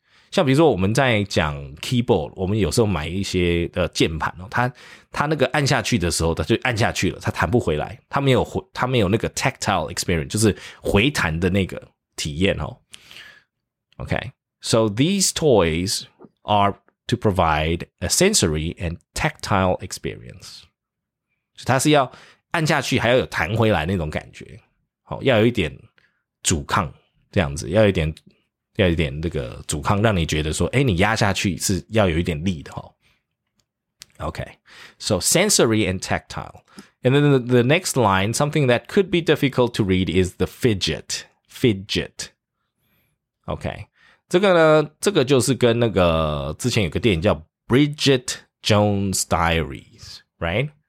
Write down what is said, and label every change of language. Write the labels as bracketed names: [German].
[Chinese] 像比如说我们在讲 keyboard, 我们有时候买一些键盘哦，它那个按下去的时候它就按下去了，它弹不回来，它没有那个 [English] tactile experience, [Chinese] 就是回弹的那个体验哦。Okay. [English] So these toys are to provide a sensory and tactile experience. [Chinese] 所以它是要按下去还要有弹回来那种感觉。好，要有一点阻抗这样子，要有一点那个阻抗，让你觉得说，诶，你压下去是要有一点力的齁。 [English] Okay. So sensory and tactile. And then the next line, something that could be difficult to read is the fidget. [Chinese] Fidget. Okay. 这个呢，这个就是跟那个之前有个电影叫 Bridget Jones Diaries, right?